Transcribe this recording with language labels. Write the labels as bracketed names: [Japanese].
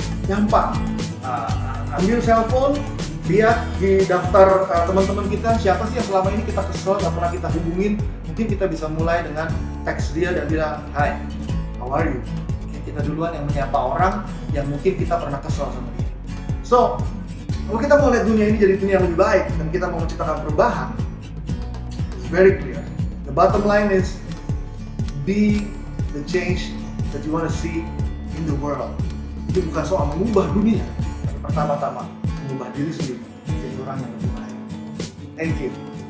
[Indonesian] Gampang, ambil cellphone, lihat di daftar teman-teman kita, siapa sih yang selama ini kita kesel, gak pernah kita hubungin. Mungkin kita bisa mulai dengan teks dia dan bilang, [English] hi, how are you? [Indonesian] Mungkin kita duluan yang menyapa orang yang mungkin kita pernah kesel sama dia. So, kalau kita mau lihat dunia ini jadi dunia yang lebih baik dan kita mau menciptakan perubahan, [English] it's very clear. The bottom line is, be the change that you want to see in the world. [Indonesian] Itu bukan soal mengubah dunia, tapi pertama-tama mengubah diri sendiri menjadi orang yang lebih baik. [English] Thank you.